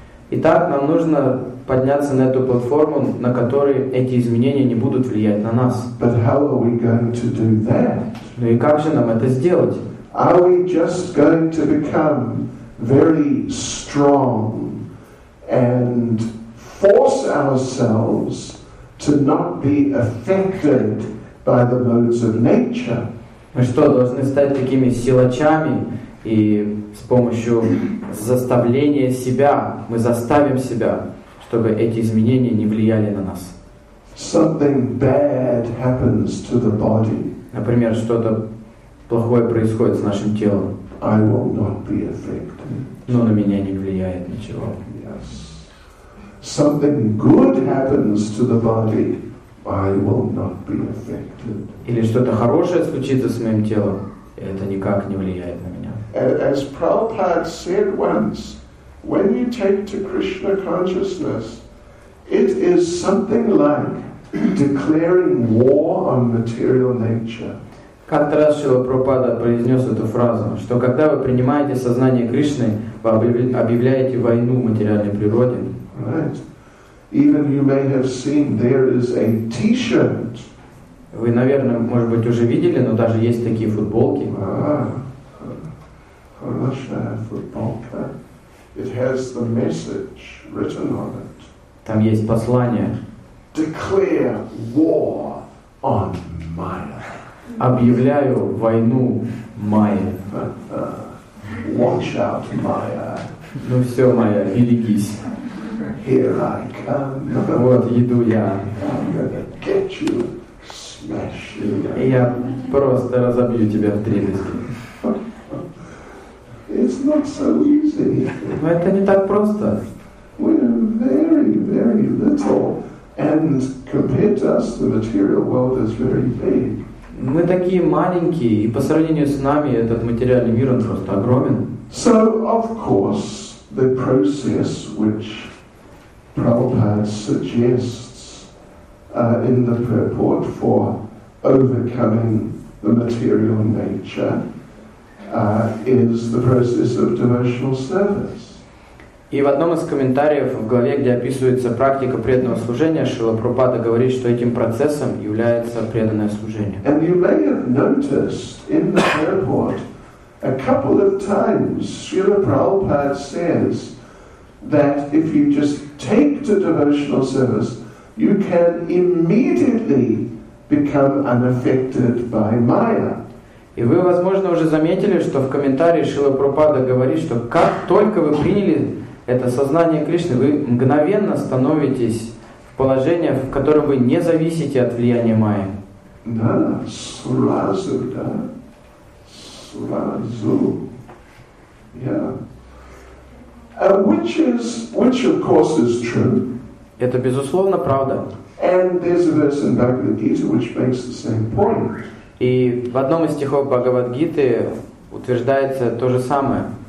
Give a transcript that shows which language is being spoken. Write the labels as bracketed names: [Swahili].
[Russian] Итак, нам нужно подняться на эту платформу, на которой эти изменения не будут влиять на нас. [English] But how are we going to do that? [Russian] Ну и как же нам это сделать? [English] Are we just going to become very strong and force ourselves to not be affected by the modes of nature? [Russian] Мы что, должны стать такими силачами, и с помощью заставления себя мы заставим себя, чтобы эти изменения не влияли на нас? [English] Something bad happens to the body. [Russian] Например, что-то плохое происходит с нашим телом. [English] I will not be affected. [Russian] Но на меня не влияет ничего. [English] Yes. Something good happens to the body. I will not be affected. [Russian] Или что-то хорошее случится с моим телом, это никак не влияет на меня. [English] As Prabhupada said once, when you take to Krishna consciousness, it is something like declaring war on material nature. [Russian] Как-то раз Шрила Прабхупада произнес эту фразу, что когда вы принимаете сознание Кришны, вы объявляете войну материальной природе. [English] Right. Even you may have seen there is a T-shirt. [Russian] Вы, наверное, может быть, уже видели, но даже есть такие футболки. Хорошая футболка. [English] It has the message written on it. [Russian] Там есть послание. [English] Declare war on Maya. [Russian] Объявляю войну Майе. [English] Watch out, Maya. [Russian] Ну все, Майя, берегись. [English] Here I come. [Russian] Вот иду я. [English] I'm gonna get you, smash you. [Russian] И я просто разобью тебя в дребезги. [English] It's not so easy. [Russian] Но это не так просто. [English] We're very, very little, and compared to us, the material world is very big. [Russian] Мы такие маленькие, и по сравнению с нами этот материальный мир он просто огромен. [English] So of course the process which Prabhupada suggests in the purport for overcoming the material nature is the process of devotional service. [Russian] И в одном из комментариев в главе, где описывается практика преданного служения, Шрила Прабхупада говорит, что этим процессом является преданное служение. [English] And you may have noticed in the purport a couple of times Srila Prabhupada says that if you just take to devotional service, you can immediately become unaffected by Maya. [Russian] И вы, возможно, уже заметили, что в комментарии Шрила Прабхупада говорит, что как только вы приняли это сознание Кришны, вы мгновенно становитесь в положении, в котором вы не зависите от влияния Майи. Да, сразу, да. Сразу. [English] Yeah. Which of course is true. [Russian] Это безусловно правда. [English] And there's a verse in Bhagavad Gita which makes the same point. [Russian] И в одном из стихов Бхагавад Гиты утверждается то же самое.